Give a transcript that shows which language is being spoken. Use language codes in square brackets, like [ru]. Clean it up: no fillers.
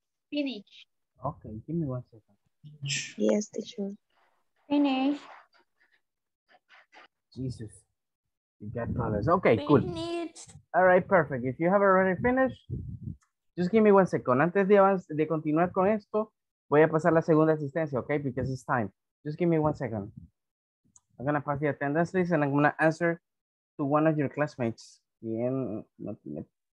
[en] Finish. Okay, give me 1 second. Yes, teacher. Finish. Jesus, you got colors. Okay, finish. Cool. All right, perfect. If you have already finished, just give me 1 second. [es] Antes de continuar con esto, voy a pasar la segunda asistencia, okay? [en] Because it's time. Just give me 1 second. I'm gonna pass the attendance list and I'm gonna answer to one of your classmates. [es] Bien, no tiene.